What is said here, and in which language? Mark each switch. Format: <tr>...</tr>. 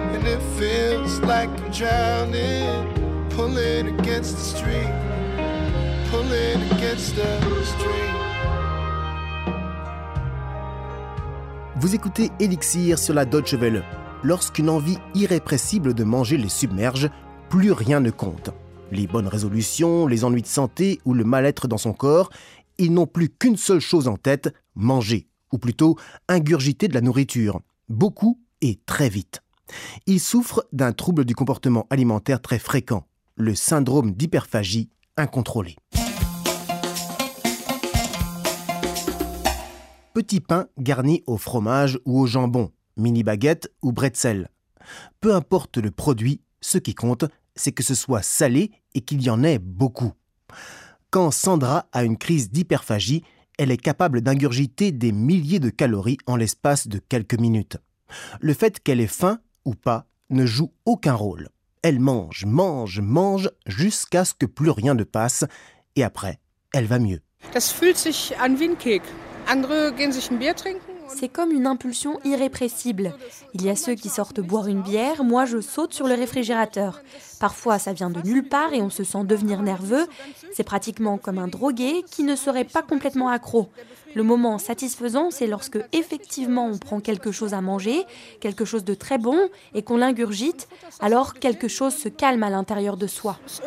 <en>It feels like I'm drowning, pulling against the stream, pulling against the stream.</en> <fr>Vous écoutez Elixir sur la Deutsche Welle. Lorsqu'une envie irrépressible de manger les submerge, plus rien ne compte. Les bonnes résolutions, les ennuis de santé ou le mal-être dans son corps, ils n'ont plus qu'une seule chose en tête, manger, ou plutôt ingurgiter de la nourriture, beaucoup et très vite. Ils souffrent d'un trouble du comportement alimentaire très fréquent, le syndrome d'hyperphagie incontrôlée. Petit pain garni au fromage ou au jambon, mini baguette ou bretzel. Peu importe le produit, ce qui compte, c'est que ce soit salé et qu'il y en ait beaucoup. Quand Sandra a une crise d'hyperphagie, elle est capable d'ingurgiter des milliers de calories en l'espace de quelques minutes. Le fait qu'elle ait faim ou pas ne joue aucun rôle. Elle mange, mange, mange jusqu'à ce que plus rien ne passe et après, elle va mieux.</fr> <de>Das fühlt sich an wie ein Kick. Andere gehen sich ein Bier trinken.</de> <fr>C'est comme une impulsion irrépressible. Il y a ceux qui sortent boire une bière, moi je saute sur le réfrigérateur. Parfois ça vient de nulle part et on se sent devenir nerveux. C'est pratiquement comme un drogué qui ne serait pas complètement accro. Le moment satisfaisant, c'est lorsque effectivement on prend quelque chose à manger, quelque chose de très bon, et qu'on l'ingurgite, alors quelque chose se calme à l'intérieur de soi.</fr>